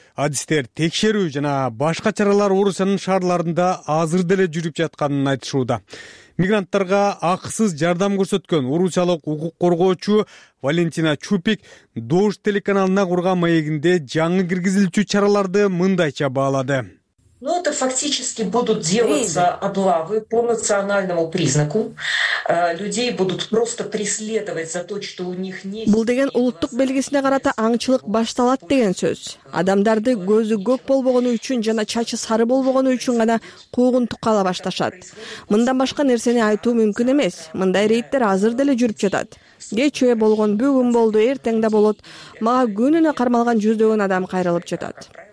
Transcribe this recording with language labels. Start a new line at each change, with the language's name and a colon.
Kyrgyz: Адистер текшерүү жана башка чаралар Орусиянын шаарларында азыр деле жүрүп жатканын айтышууда. Мигранттарга акысыз жардам көрсөткөн орусиялык укук коргоочу Валентина Чупик Дождь телеканалына курган маегинде жаңы киргизилчү чараларды мындайча баалады.
Russian: Ну, это фактически будут делаться облавы по национальному признаку. Людей будут просто преследовать за то, что у них не...
Kyrgyz: Бул деген улуттук белгисине карата аңчылык башталат деген сөз. Адамдарды көзү көк болбогону үчүн жана чачы сары болбогону үчүн гана куугунтукала башташат. Мындан башка нерсени айтуу мүмкүн эмес. Мындай рейдтер азыр деле жүрүп жатат. Кечээ болгон, бүгүн болду, эртең да болот. Мага күнүнө кармалган жүздөгөн адам кайрылып жатат.